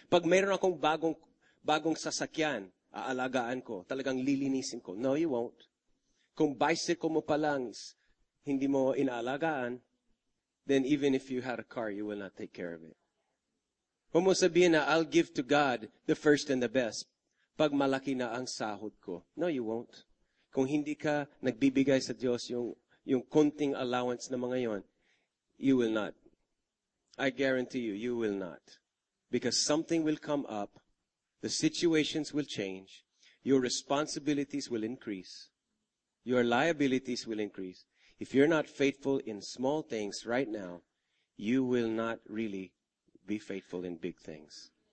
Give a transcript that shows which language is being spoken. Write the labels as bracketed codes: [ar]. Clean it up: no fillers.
[tl] Pag mayroon akong bagong sasakyan, aalagaan ko, talagang lilinisin ko. [en] No, you won't. [tl] Kung bicycle mo pa lang, hindi mo inaalagaan, [en] then even if you had a car, you will not take care of it. [tl] Huwag mo sabihin na, [en] I'll give to God the first and the best. [tl] Pag malaki na ang sahod ko. [en] No, you won't. [tl] Kung hindi ka nagbibigay sa Diyos yung konting allowance na mga yon, [en] you will not. I guarantee you will not. Because something will come up, the situations will change, your responsibilities will increase, your liabilities will increase. If you're not faithful in small things right now, you will not really be faithful in big things.